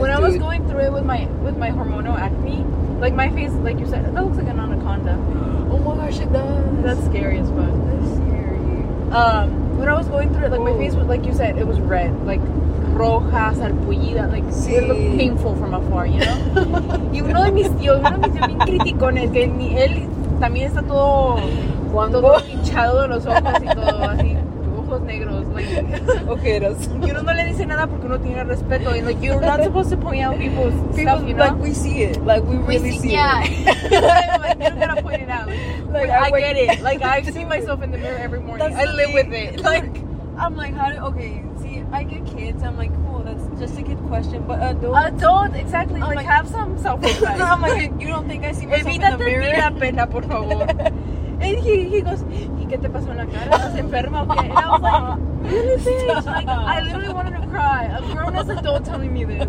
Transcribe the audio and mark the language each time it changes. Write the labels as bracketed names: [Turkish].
[English] when dude. I was going through it with my hormonal acne, like, my face, like you said, that looks like an anaconda. Oh my gosh, it does. That's scary as fuck. That's scary. When I was going through it, like, my face was, like you said, it was red. Like, [Spanish] roja, sarpullida, [English] like, sí. It looked painful from afar, you know? [Spanish] Y uno de mis tíos, uno de mis tíos bien criticones, que ni él... También está todo cuando hinchado de los ojos y todo así, ojos negros, like, ojeros. Y uno no le dice nada porque uno tiene respeto. [English] Y like, you're not supposed to point out people's stuff, you know? Like, we see it. Like, we really see it. Yeah. Like, you're gonna point it out. Like, I get it. Like, I see myself in the mirror every morning. That's I live with it. Like, I'm like, how do, okay, see, I get kids. I'm like, cool, that's just a kid question. But adults, exactly. Like, have some self-respect. I'm like, you don't think I see myself in the mirror? [Spanish] Evita tener pena, por favor. [English] And he goes, [Spanish] ¿y qué te pasó en la cara? ¿Estás enferma o qué? [English] And I was like, really, bitch? Like, I literally wanted to cry. A grown-ass adult telling me this.